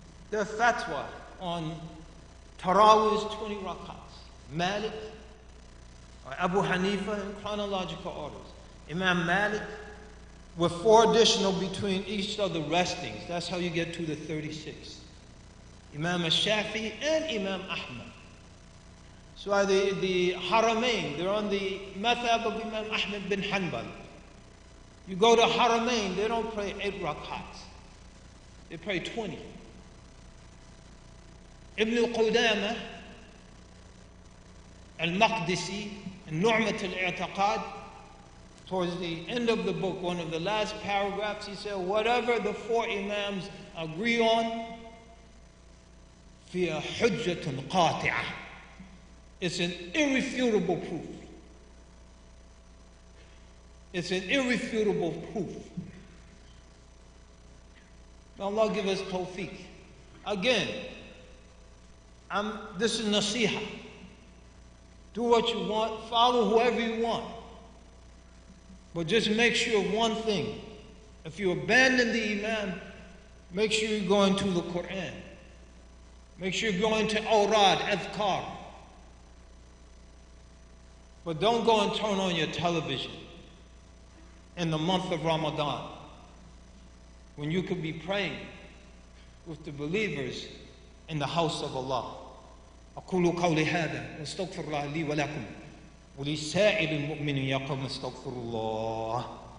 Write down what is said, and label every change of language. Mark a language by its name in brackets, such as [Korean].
[English] their fatwa on Taraweeh's 20 rakats, Malik, or Abu Hanifa in chronological orders, Imam Malik with four additional between each of the restings, that's how you get to the 36, Imam Ash-Shafi and Imam Ahmad. So the Haramain, they're on the Mathab of Imam Ahmad bin Hanbal. You go to Haramain, they don't pray 8 rakats. They pray 20. [Arabic] ابن القدامة المقدسي نعمة الاعتقاد. [English] Towards the end of the book, one of the last paragraphs, he said, whatever the four imams agree on, [Arabic] فيا حجة قاطعة. [English] It's an irrefutable proof. It's an irrefutable proof. May Allah give us tawfiq. Again, this is nasiha. Do what you want, follow whoever you want. But just make sure of one thing. If you abandon the imam, make sure you go into the Quran. Make sure you go into awrad, adhkar. But don't go and turn on your television in the month of Ramadan when you could be praying with the believers in the house of Allah. [Arabic] أقول قولي هذا واستغفر الله لي ولكم ولسائر المؤمنين يا قوم استغفر الله.